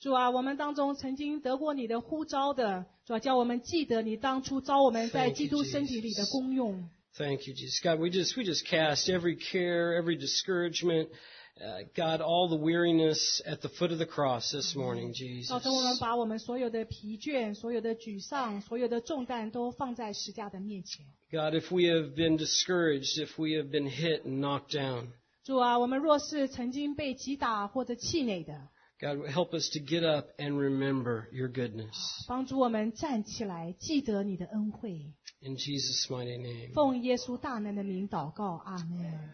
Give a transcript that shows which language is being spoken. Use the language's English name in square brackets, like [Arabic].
[Chinese] 主啊，我们当中曾经得过你的呼召的，主啊，叫我们记得你当初召我们在基督身体里的功用。 [English] Thank you, Jesus. God, we just cast every care, every discouragement, God, all the weariness at the foot of the cross this morning, Jesus. [Chinese] 早晨我们把我们所有的疲倦、所有的沮丧、所有的重担都放在十架的面前。 [English] God, if we have been discouraged, if we have been hit and knocked down, [Chinese] 主啊，我们若是曾经被击打或者气馁的 [English] ，God, help us to get up and remember your goodness. [Chinese] 帮助我们站起来，记得你的恩惠。 [English] In Jesus' mighty name. [Chinese] 奉耶稣大能的名祷告，阿门。